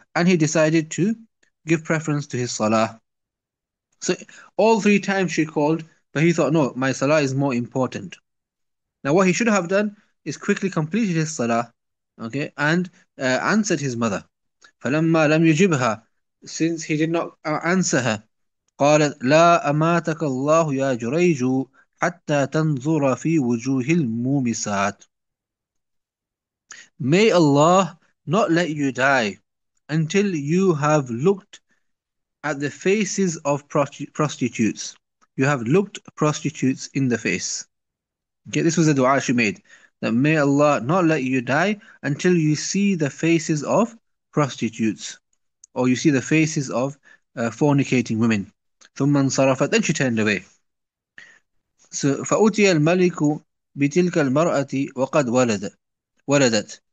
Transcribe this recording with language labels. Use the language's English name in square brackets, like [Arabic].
[English] And he decided to give preference to his salah. So all three times she called, but he thought, no, my salah is more important. Now what he should have done is quickly completed his salah, okay, and answered his mother. [Arabic] فلما لم يجبها. Since he did not answer her, قالت لا أماتك الله يا جريج حتى تنظر في وجوه المومسات. [English] May Allah not let you die until you have looked at the faces of prostitutes. You have looked prostitutes in the face. Okay, this was a dua she made. That may Allah not let you die until you see the faces of prostitutes, or you see the faces of fornicating women. ثم انصرفت. Then she turned away. [Arabic] So فأتي الملك بتلك المرأة وقد ولدت.